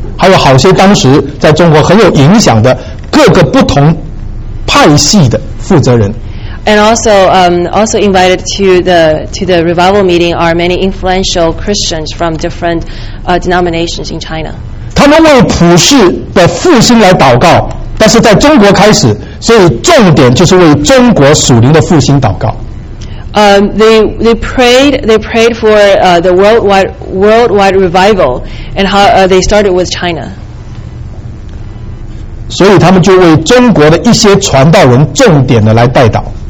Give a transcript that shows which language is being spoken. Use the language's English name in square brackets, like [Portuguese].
[Chinese] 还有好些当时在中国很有影响的各个不同派系的负责人。 [English] And also, also invited to the revival meeting are many influential Christians from different denominations in China. [Chinese] 他们为普世的复兴来祷告，但是在中国开始，所以重点就是为中国属灵的复兴祷告。 [English] They prayed for the worldwide revival, and how they started with China. [Chinese] 所以他们就为中国的一些传道人重点的来代祷。